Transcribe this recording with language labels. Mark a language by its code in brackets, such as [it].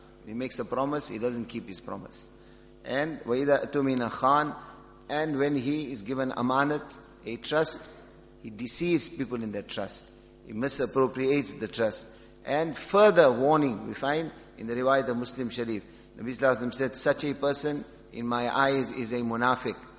[en] When he makes a promise, he doesn't keep his promise. [ar] And وَإِذَا أَتُمِنَ خَانْ. [en] And when he is given amanat, a trust, he deceives people in that trust. He misappropriates the trust. And further warning, we find in the riwayat of Muslim Sharif, Nabi Sallallahu Alaihi Wasallam said, such a person in my eyes is a munafiq.